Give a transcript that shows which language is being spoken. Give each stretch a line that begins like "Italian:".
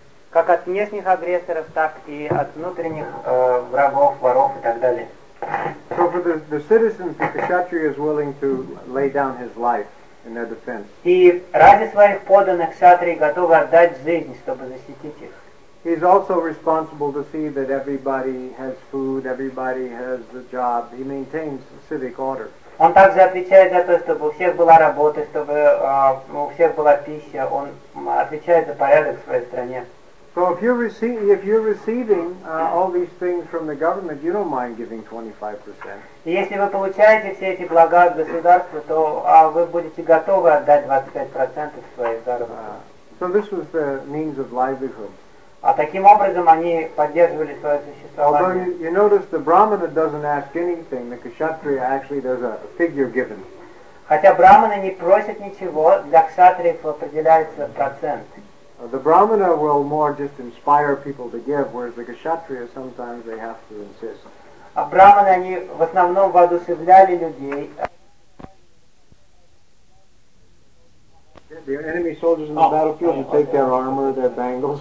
Russian: Как от внешних агрессоров, так и от внутренних врагов, воров и так далее.
English: So for the citizens, the kshatriya is willing to lay down his life in their defense.
Russian: И ради своих подданных кшатрия готов отдать жизнь, чтобы защитить их.
English: He's also responsible to see that everybody has food, everybody has a job. He maintains civic order.
Russian: Он также отвечает за то, чтобы у всех была работа, чтобы у всех была пища. Он отвечает за порядок в своей стране.
English: So if you're receiving all these things from the government, you don't mind giving 25%.
Russian: Если вы получаете все эти блага от государства, то вы будете готовы отдать 25% своих заработков.
English: So this was the means of livelihood.
Russian: А таким образом они поддерживали свое существование.
English: Although you notice the brahmana doesn't ask anything, the kshatriya actually there's a figure given.
Russian: Хотя брахманы не просят ничего, для кшатриев определяется процент.
English: The brahmana will more just inspire people to give, whereas the kshatriya sometimes they have to insist.
Russian: А брахманы, они в основном воодушевляли людей.
English: The enemy soldiers in the battlefield would take their armor, their bangles,